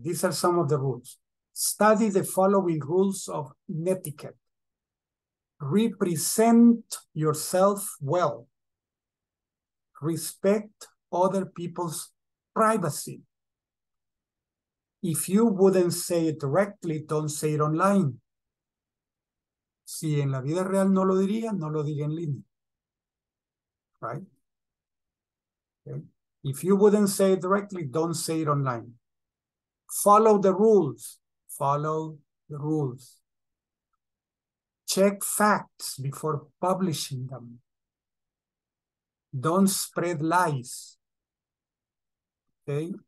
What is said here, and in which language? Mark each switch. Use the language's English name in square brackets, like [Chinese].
[English] These are some of the rules. Study the following rules of netiquette. Represent yourself well. Respect other people's privacy. If you wouldn't say it directly, don't say it online. [Spanish] Si en la vida real no lo diría, no lo diga en línea. [English] Right? Okay. If you wouldn't say it directly, don't say it online. Follow the rules. Follow the rules. Check facts before publishing them. Don't spread lies. Okay?